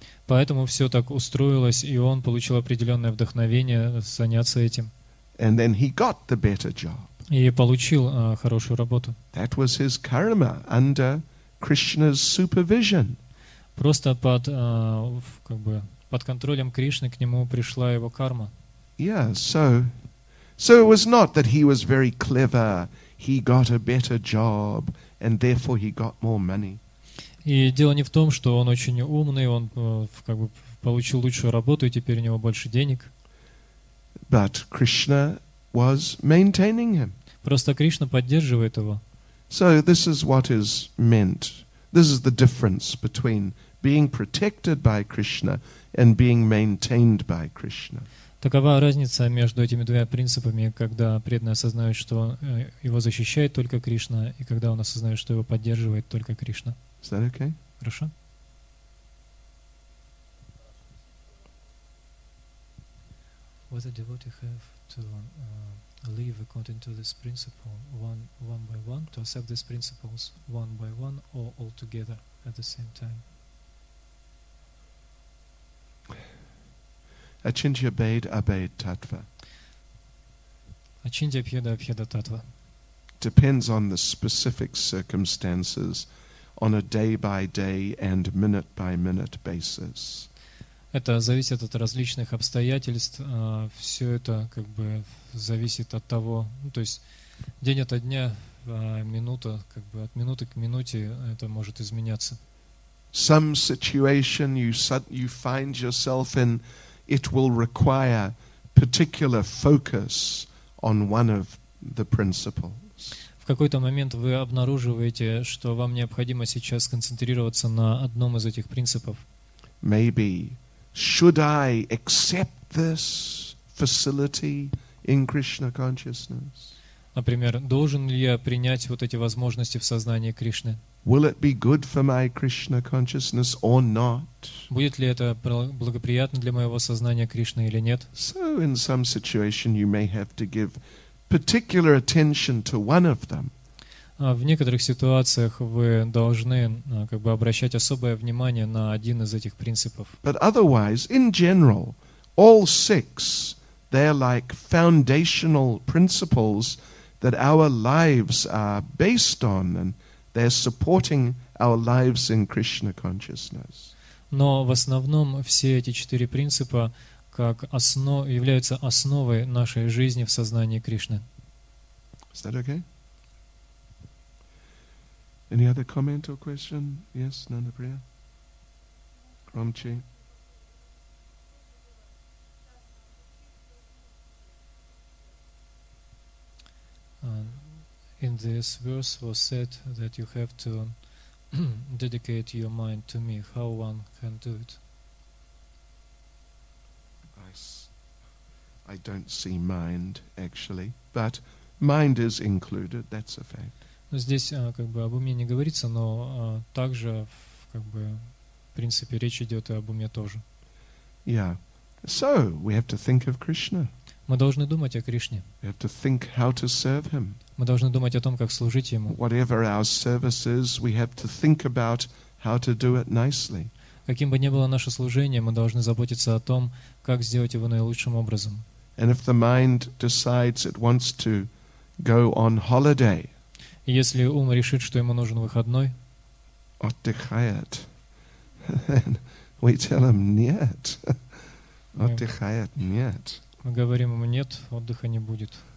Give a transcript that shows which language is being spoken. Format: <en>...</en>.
<ru>Поэтому все так устроилось, и он получил определенное вдохновение заняться этим.</ru> <en>And then he got the better job.</en> <ru>И получил хорошую работу.</ru> <en>That was his karma under Krishna's supervision.</en> <ru>Просто под как бы под контролем Кришны к нему пришла его карма.</ru> <en>Yeah. So it was not that he was very clever. He got a better job, and therefore he got more money.</en> <ru>И дело не в том, что он очень умный, он как бы получил лучшую работу и теперь у него больше денег.</ru> <en>But Krishna was maintaining him.</en> <ru>Просто Кришна поддерживает его.</ru> <en>So this is what is meant. This is the difference between being protected by Krishna and being maintained by Krishna.</en> <ru>Такова разница между этими двумя принципами, когда преданный осознает, что его защищает только Кришна, и когда он осознает, что его поддерживает только Кришна.</ru> <en>Is that okay?</en> <ru>Хорошо.</ru> <en>Whether devotee have to live according to this principle one by one, to accept these principles one by one, or all together at the same time?</en> <sa>Achintya bhed abhed tattva. Achintya bhed abhed tattva.</sa> <en>Depends on the specific circumstances on a day by day and minute by minute basis.</en> <ru>Это зависит от различных обстоятельств. Все это как бы зависит от того, ну, то есть день ото дня, минута, как бы от минуты к минуте это может изменяться.</ru> <en>Some situation you find yourself in, it will require particular focus on one of the principles.</en> <ru>В какой-то момент вы обнаруживаете, что вам необходимо сейчас сконцентрироваться на одном из этих принципов.</ru> <en>Maybe should I accept this facility in Krishna consciousness?</en> <ru>Например, должен ли я принять вот эти возможности в сознании Кришны?</ru> <en>Will it be good for my Krishna consciousness or not?</en> <ru>Будет ли это благоприятно для моего сознания Кришны или нет?</ru> <en>So in some situation you may have to give particular attention to one of them.</en> <ru>В некоторых ситуациях вы должны как бы обращать особое внимание на один из этих принципов.</ru> <en>But otherwise, in general, all six, they're like foundational principles that our lives are based on, and they're supporting our lives in Krishna consciousness.</en> <ru>Но в основном все эти четыре принципа как являются основой нашей жизни в сознании Кришны.</ru> <en>Is that okay? Any other comment or question? Yes, Nandapriya?</en> <ru>Громче.</ru> <en>In this verse was said that you have to dedicate your mind to me. How one can do it? I don't see mind, actually. But mind is included, that's a fact.</en> <ru>Но здесь как бы об уме не говорится, но также как бы в принципе речь идет и об уме тоже.</ru> <en>Yeah. So we have to think of Krishna.</en> <ru>Мы должны думать о Кришне.</ru> <en>We have to think how to serve him.</en> <ru>Мы должны думать о том, как служить ему.</ru> <en>Whatever our service is, we have to think about how to do it nicely.</en> <ru>Каким бы ни было наше служение, мы должны заботиться о том, как сделать его наилучшим образом.</ru> <en>And if the mind decides it wants to go on holiday,</en> <ru>если ум решит, что ему нужен выходной, отдыхает,</ru> <en>then we tell him</en> <ru>нет. Отдыхает нет. Мы говорим ему нет, отдыха не будет.</ru>